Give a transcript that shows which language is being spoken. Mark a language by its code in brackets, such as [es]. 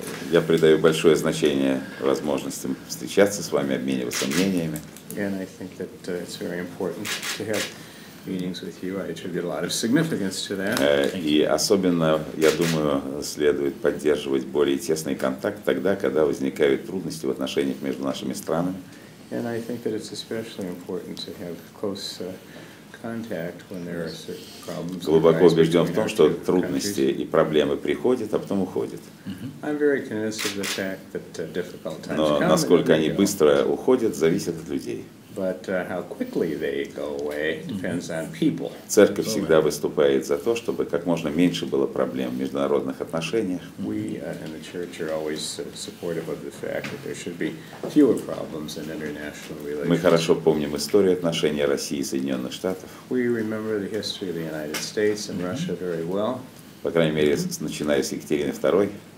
[ru] Я придаю большое значение возможностям встречаться с вами, обмениваться мнениями. [en] And I think that it's very important to have meetings with you. I attribute a lot of significance to that. [ru] И особенно, я думаю, следует поддерживать более тесный контакт тогда, когда возникают трудности в отношениях между нашими странами. [en] And I think that it's especially important to have close contact when there are certain problems. [ru] Глубоко убежден в том, что трудности и проблемы приходят, а потом уходят. [en] I'm very convinced of the fact that difficult times come. [ru] Но насколько они быстро уходят, зависит от людей. [en] But how quickly they go away depends on people. [ru] Церковь всегда выступает за то, чтобы как можно меньше было проблем в международных отношениях. [en] We in the church are always supportive of the fact that there should be fewer problems in international relations. [ru] Мы хорошо помним историю отношений России и Соединенных Штатов. [en] We remember the history of the United States and Russia very well. [ru] По крайней мере, начиная с Екатерины II.